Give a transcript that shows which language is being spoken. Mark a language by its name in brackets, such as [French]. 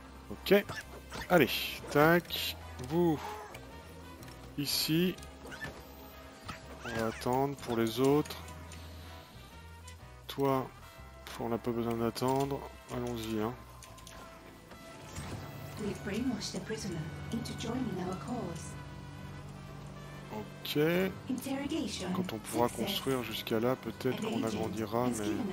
[French] Ok, allez, tac, vous, ici, on va attendre pour les autres. Toi, on n'a pas besoin d'attendre, allons-y, hein. [English] We've brainwashed the prisoner into joining our cause. [French] Ok. Ok. Quand on pourra construire jusqu'à là, peut-être qu'on agrandira, mais...